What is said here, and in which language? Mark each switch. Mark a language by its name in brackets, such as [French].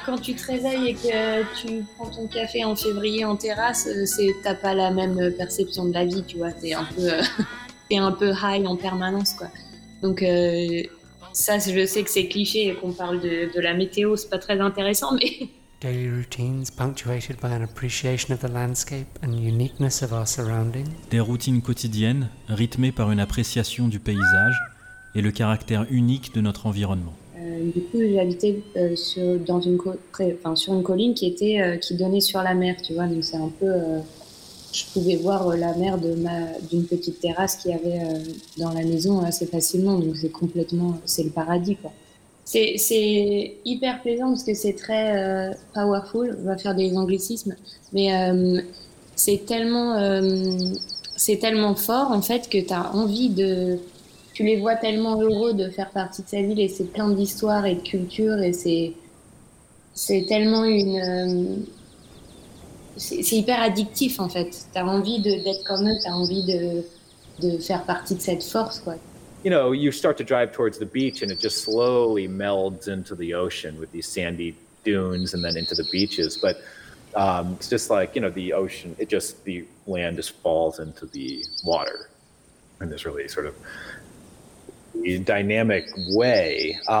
[French] Quand tu te réveilles et que tu prends ton café en février en terrasse, t'as pas la même perception de la vie, tu vois. T'es un peu, high en permanence, quoi. Donc ça, je sais que c'est cliché et qu'on parle de la météo, c'est pas très intéressant, mais... [English] Daily routines punctuated by an appreciation of the landscape and uniqueness of our surroundings. [French] Des routines quotidiennes rythmées par une appréciation du paysage et le caractère unique de notre environnement. Du coup, j'habitais sur une colline qui donnait sur la mer, tu vois. Donc c'est un peu, je pouvais voir la mer d'une petite terrasse qu'il y avait dans la maison assez facilement. Donc c'est le paradis, quoi. C'est hyper plaisant parce que c'est très powerful. On va faire des anglicismes, mais c'est tellement fort en fait que t'as envie de. Tu les vois tellement heureux de faire partie de sa ville, et c'est plein d'histoires et de cultures, et c'est tellement une... C'est hyper addictif, en fait. T'as envie d'être comme eux, t'as envie de faire partie de cette force, quoi. [English] You know, you start to drive towards the beach and it just slowly melds into the ocean with these sandy dunes and then into the beaches, but it's just like, you know, the ocean, it just, the land just falls into the water in this really sort of dynamic way.